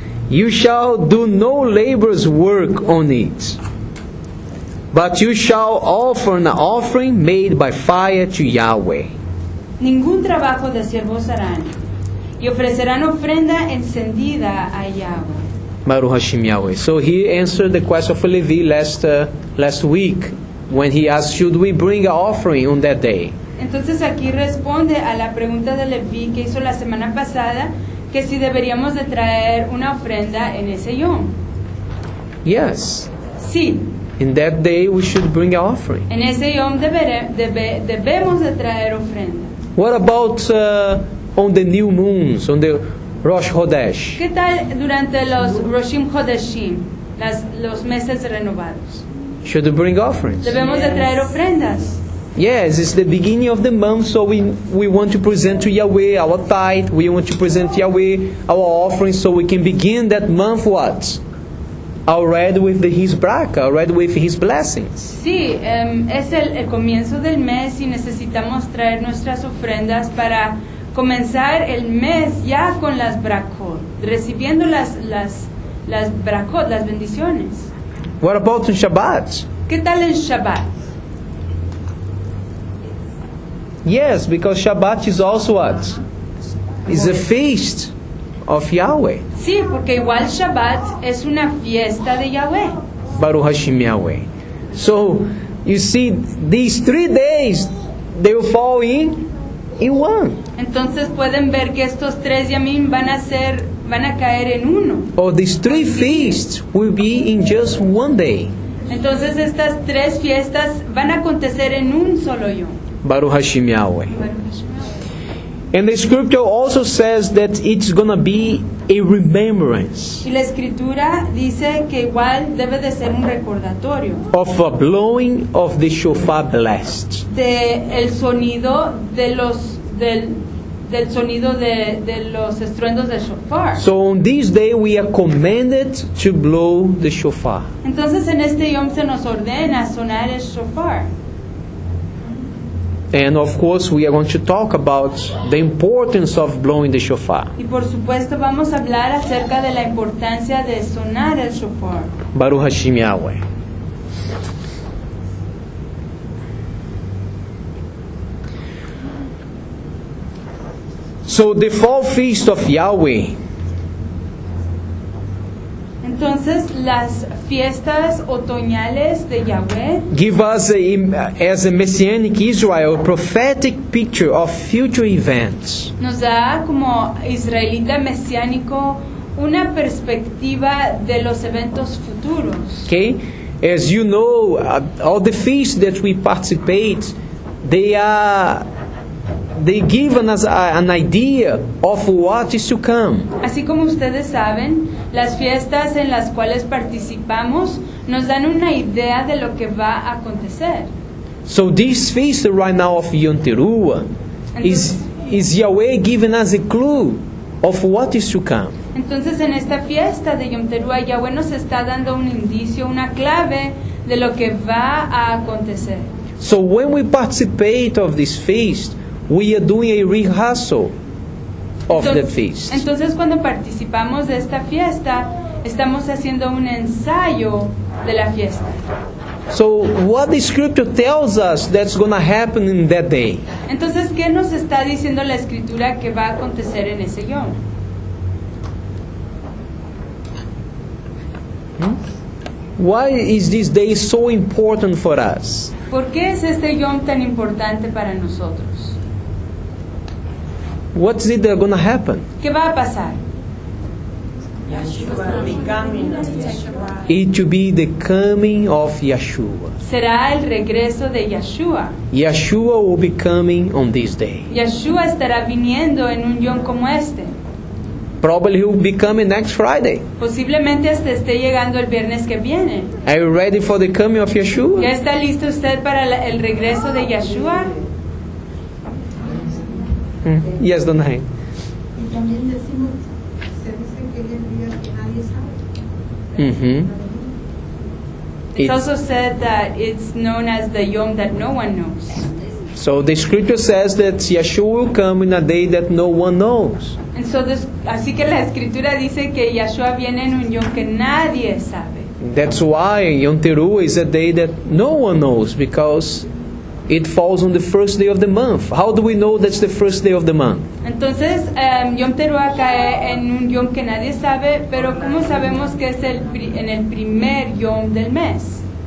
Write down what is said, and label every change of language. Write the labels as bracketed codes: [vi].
[en] You shall do no labor's work on it, but you shall offer an offering made by fire to Yahweh. [es] Ningún trabajo de siervos harán, y ofrecerán ofrenda encendida a Yahweh. [he] Baruch Hashem Yahweh. [en] So he answered the question of Levi last week. When he asked, should we bring an offering on that day? [es] Entonces aquí responde a la pregunta de Levi que hizo la semana pasada, que si deberíamos de traer una ofrenda en ese yom. [en] Yes. [es] Sí. [en] In that day we should bring an offering. [es] En ese yom debemos de traer ofrenda. [en] What about on the new moons, on the Rosh Chodesh? [es] ¿Qué tal durante los Roshim Chodeshim, los meses renovados? [en] Should we bring offerings? [es] Debemos de traer ofrendas. [en] Yes, it's the beginning of the month, so we want to present to Yahweh our tithe, we want to present to Yahweh our offering, so we can begin that month what? Already with the His bracha, already with His blessings. [es] Sí, es el comienzo del mes y necesitamos traer nuestras ofrendas para comenzar el mes ya con las brachot, recibiendo las brachot, las bendiciones. [en] What about in Shabbat? [es] ¿Qué tal en Shabbat? [en] Yes, because Shabbat is also what? Is a feast of Yahweh. [es] Sí, porque igual Shabbat es una fiesta de Yahweh. [he] Baruch Hashem Yahweh. [en] So, you see, these 3 days, they will fall in one. [es] Entonces pueden ver que estos tres yamim van a caer en uno. [en] Or these three feasts will be in just one day. [es] Entonces estas tres fiestas van a acontecer en un solo yom. [he] Baruch Hashem Yahweh. [en] And the scripture also says that it's going to be a remembrance. [es] Y la escritura dice que igual debe de ser un recordatorio. [en] Of a blowing of the shofar blast. [es] De el sonido de los del sonido de los estruendos del shofar. [en] So on this day we are commanded to blow the shofar. [es] Entonces en este yom se nos ordena sonar el shofar. [en] And of course, we are going to talk about the importance of blowing the shofar. [es] Y por supuesto, vamos a hablar acerca de la importancia de sonar el shofar. [he] Baruch Hashem Yahweh. [en] So the fall feast of Yahweh. [es] Entonces, las fiestas otoñales de Yahweh [en] give us, as a messianic Israel, a prophetic picture of future events. [es] Nos da como israelita mesiánico una perspectiva de los eventos futuros. [en] Okay, as you know, all the feasts that we participate, they give us an idea of what is to come. [es] Así como ustedes saben, las fiestas en las cuales participamos nos dan una idea de lo que va a acontecer. [en] So this feast right now of Yom Teruah is Yahweh giving us a clue of what is to come. [es] Entonces en esta fiesta de Yom Teruah Yahweh nos está dando un indicio, una clave de lo que va a acontecer. [en] So when we participate of this feast, we are doing a rehearsal of the feast. [es] Entonces, cuando participamos de esta fiesta, estamos haciendo un ensayo de la fiesta. [en] So, what the scripture tells us that's going to happen in that day? [es] Entonces, ¿qué nos está diciendo la escritura que va a acontecer en ese yom? [en] Why is this day so important for us? [es] ¿Por qué es este yom tan importante para nosotros? [en] What is it going to happen? [es] ¿Qué va a pasar? [en] It will be the coming of Yeshua. [es] Será el regreso de Yeshua. [en] Yeshua will be coming on this day. [es] Yeshua estará viniendo en un yom como este. [en] Probably he will be coming next Friday. [es] Posiblemente hasta esté llegando el viernes que viene. [en] Are you ready for the coming of Yeshua? [es] ¿Ya está listo usted para el regreso de Yeshua? [en] Yes, Donahe. [es] Y también decimos, se dice que es el día que nadie sabe. [en] It's also said that it's known as the Yom that no one knows. So the scripture says that Yeshua will come in a day that no one knows. And so [es] así que la escritura dice que Yeshua viene en un yom que nadie sabe. [en] That's why Yom Teruah is a day that no one knows, because it falls on the first day of the month. How do we know that's the first day of the month? [es] Entonces, Yom Teruah cae en un yom que nadie sabe, pero ¿cómo sabemos que es en el primer yom del mes?